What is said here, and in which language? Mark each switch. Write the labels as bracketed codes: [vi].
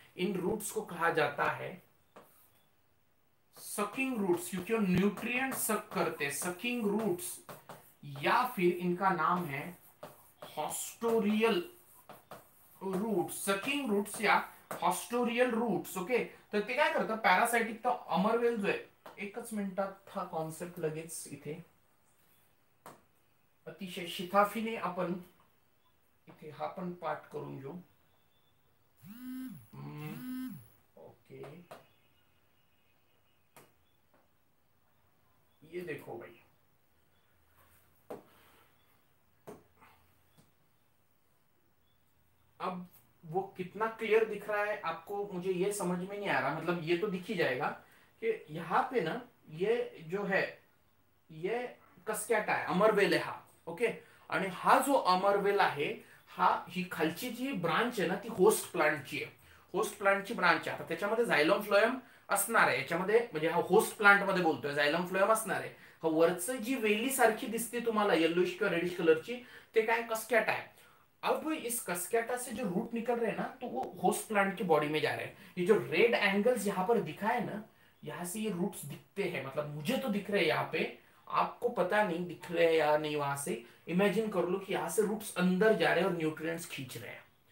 [hi] इन roots को कहा जाता है सकिंग रूट्स, क्योंकि वो न्यूट्रिएंट सक करते हैं, सकिंग रूट्स, या फिर इनका नाम है हॉस्टोरियल रूट, सकिंग रूट्स या हॉस्टोरियल रूट्स. [mr] ओके, तर ते काय करतं, पॅरासाइटिक तर अमरवेल जो आहे, एकच मिनिटात हा कॉन्सेप्ट लगेच इथे अतिशय शिथाफीने आपण इथे हा पण पाठ करून घेऊ. [hi] ओके, ये देखो भाई, अब वो कितना क्लियर दिख रहा है आपको, मुझे ये समझ में नहीं आ रहा. मतलब ये तो दिख ही जाएगा कि यहाँ पे ना, ये जो है ये कस्कैटा है, अमरवेल है हा. [mr] ओके, आणि हा जो अमरवेल आहे, हा ही खालची जी ब्रांच आहे ना, ती होस्ट प्लांटची आहे. होस्ट प्लांटची ब्रांच आहे. आता त्याच्यामध्ये झायलम फ्लोएम असणार आहे, याच्यामध्ये, म्हणजे हा होस्ट प्लांट मध्ये बोलतोय, झायलम फ्लोएम असणार आहे. हा वरचं जी वेली सारखी दिसते तुम्हाला, येलोइश किंवा रेडिश कलरची, ते काय कस्कॅट आहे. [hi] अब इस कस्कैटा से जो रूट निकल रहे हैं ना, तो वो होस्ट प्लांट की बॉडी में जा रहे हैं. ये जो रेड एंगल्स यहाँ पर दिखा है ना, यहाँ से ये रूट्स दिखते हैं. मतलब मुझे तो दिख रहे हैं यहाँ पे, आपको पता नहीं दिख रहे हैं या नहीं. वहां से इमेजिन कर लो कि यहाँ से रूट्स अंदर जा रहे हैं और न्यूट्रिएंट्स खींच रहे हैं.